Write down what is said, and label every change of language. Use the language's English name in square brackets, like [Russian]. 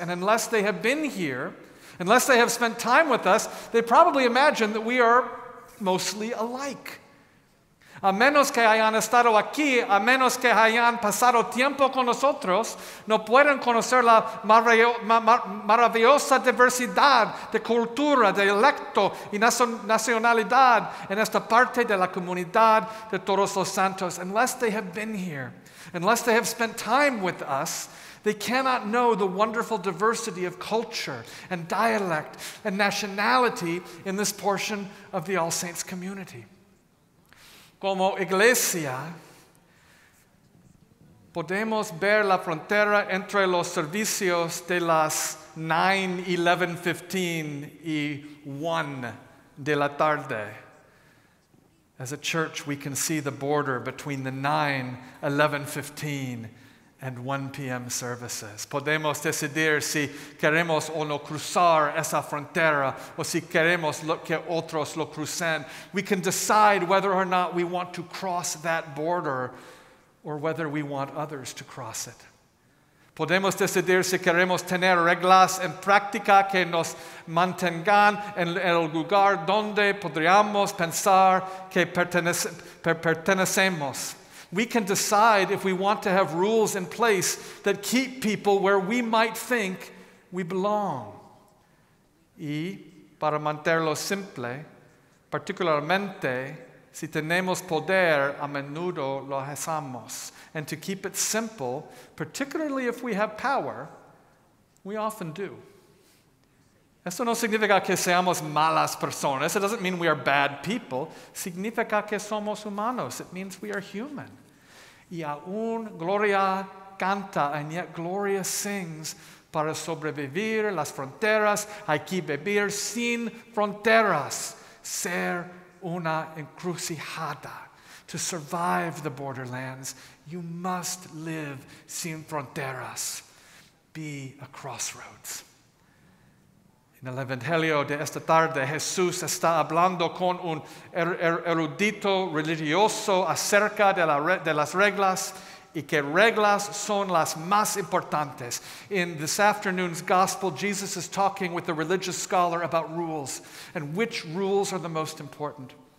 [English] And unless they have been here, unless they have spent time with us, they probably imagine that we are mostly alike. [Spanish] A menos que hayan estado aquí, a menos que hayan pasado tiempo con nosotros, no pueden conocer la maravillosa diversidad de cultura, de dialecto y nacionalidad en esta parte de la comunidad de todos los santos. [English] Unless they have been here, unless they have spent time with us, they cannot know the wonderful diversity of culture and dialect and nationality in this portion of the All Saints community. [Spanish] Como iglesia, podemos ver la frontera entre los servicios de las 9, 11, 15 y 1 de la tarde. [English] As a church, we can see the border between the 9, 11, 15 and 1 p.m. services. [Spanish] Podemos decidir si queremos o no cruzar esa frontera o si queremos que otros lo crucen. [English] We can decide whether or not we want to cross that border or whether we want others to cross it. [Spanish] Podemos decidir si queremos tener reglas en práctica que nos mantengan en el lugar donde podríamos pensar que pertenecemos. [English] We can decide if we want to have rules in place that keep people where we might think we belong. [Spanish] Y para mantenerlo simple, particularmente si tenemos poder, a menudo lo hacemos. [English] And to keep it simple, particularly if we have power, we often do. [Spanish] Eso no significa que seamos malas personas. [English] It doesn't mean we are bad people. [Spanish] Significa que somos humanos. [English] It means we are human. [Spanish] Y aún Gloria canta, [English] and yet Gloria sings, [Spanish] para sobrevivir las fronteras, hay que vivir sin fronteras, ser una encrucijada. [English] To survive the borderlands, you must live [Spanish] sin fronteras. [English] Be a crossroads. [Spanish] En el Evangelio de esta tarde, Jesús está hablando con un erudito religioso acerca de las reglas y que reglas son las más importantes. [English] In this afternoon's gospel, Jesus is talking with a religious scholar about rules and which rules are the most important.